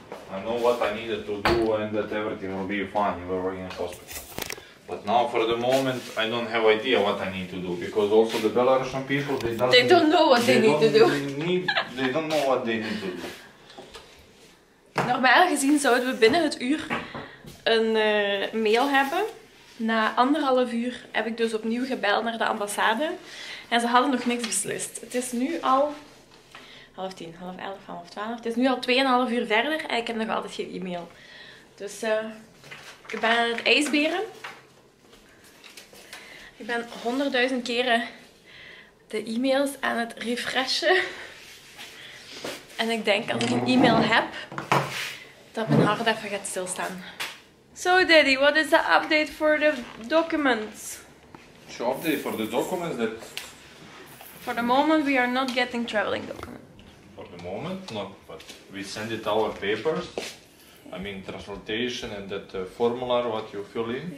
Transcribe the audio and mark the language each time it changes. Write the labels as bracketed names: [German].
[English] I know what I needed to do and that everything will be fine if we're in the hospital. But now, for the moment, I don't have idea what I need to do. Because also the Belarusian people, they don't know what they need to do. [Dutch] Normaal gezien zouden we binnen het uur een mail hebben. Na 1,5 uur heb ik dus opnieuw gebeld naar de ambassade. En ze hadden nog niks beslist. Het is nu al 10:30, 11:30, 12:30. Het is nu al 2,5 uur verder en ik heb nog altijd geen e-mail. Dus ik ben aan het ijsberen. Ik ben 100.000 keren de e-mails aan het refreshen. En ik denk als ik een e-mail heb, dat mijn hart even gaat stilstaan. [English] So daddy, what is the update for the documents? The update for the documents that... for the moment we are not getting traveling documents. For the moment, no, but we send it our papers. I mean transportation and that formula what you fill in.